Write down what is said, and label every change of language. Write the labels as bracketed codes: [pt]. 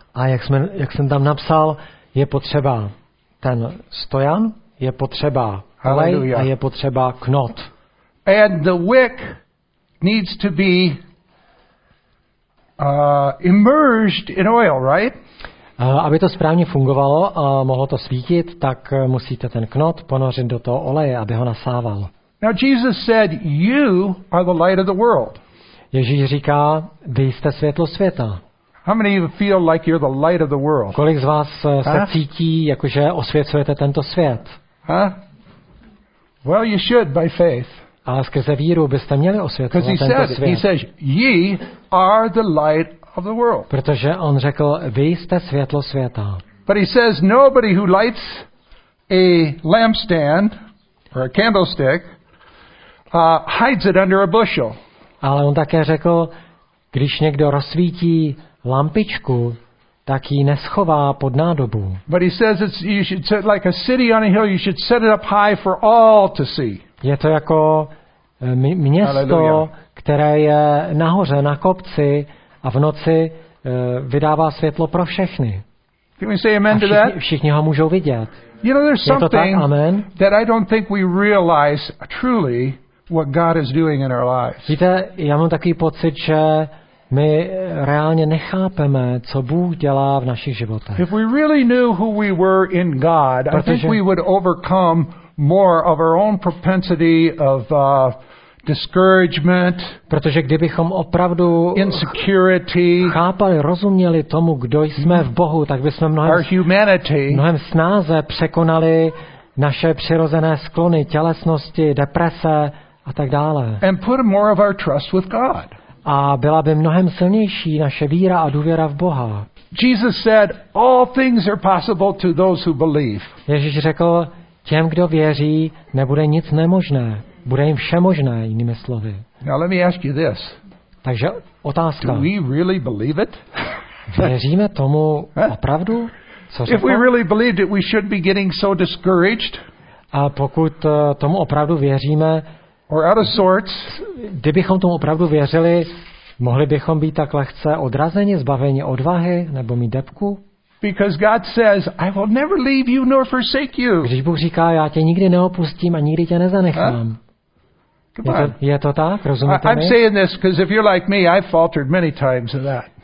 [cs] A jak jsem tam napsal, je potřeba ten stojan, je potřeba olej a je potřeba knot. [en] And the wick needs to be immersed in oil, right? [cs] Aby to správně fungovalo a mohlo to svítit, tak musíte ten knot ponořit do toho oleje, aby ho nasával. [en] Now Jesus said, you are the light of the world. [cs] Ježíš říká, vy jste světlo světa. [en] How many feel like you're the light of the world? [cs] Kolik z vás se cítí, jakože osvěcujete tento svět? Huh? [en] Well, you should by faith. [cs] A skrze víru byste měli osvětlovat tento svět. [en] Because he says, ye are the light of the world. [cs] Protože on řekl, vy jste světlo světa. [en] But he says nobody who lights a lampstand or a candlestick hides it under a bushel. [cs] Ale on také řekl, když někdo rozsvítí lampičku, tak ji neschová pod nádobu. [en] But he says it's you should set like a city on a hill, you should set it up high for all to see. [cs] Je to jako město, které je nahoře na kopci a v noci vydává světlo pro všechny. [en] Can we say amen to that? [cs] Všichni ho můžou vidět. [en] You know, there's something that I don't think we realize truly what God is doing in our lives. [cs] Víte, já mám takový pocit, že my reálně nechápeme, co Bůh dělá v našich životech. [en] If we really knew who we were in God, I think we would overcome more of our own propensity of discouragement. [cs] Protože kdybychom opravdu [en] insecurity, [cs] chápali, rozuměli tomu, kdo jsme v Bohu, tak bychom mnohem snáze překonali naše přirozené sklony tělesnosti, deprese a tak dále. [en] And put more of our trust with God. [cs] A byla by mnohem silnější naše víra a důvěra v Boha. [en] Jesus said, all things are possible to those who believe. [cs] Ježíš řekl, těm, kdo věří, nebude nic nemožné. Bude jim vše možné, jinými slovy. [en] Now let me ask you this. [cs] Takže otázka. [en] Do we really believe it? [cs] Věříme tomu opravdu? Co [en] if we really believed it, we should be getting so discouraged. [cs] A pokud tomu opravdu věříme, [en] or out of sorts, [cs] kdybychom tomu opravdu věřili, mohli bychom být tak lehce odrazeni, zbaveni odvahy, nebo mít depku? [en] Because God says, I will never leave you nor forsake you. [cs] Když Bůh říká, já tě nikdy neopustím a nikdy tě nezanechám. Je to tak, rozumíte [en] mi? I'm saying this because if you're like me, I've faltered many times in that.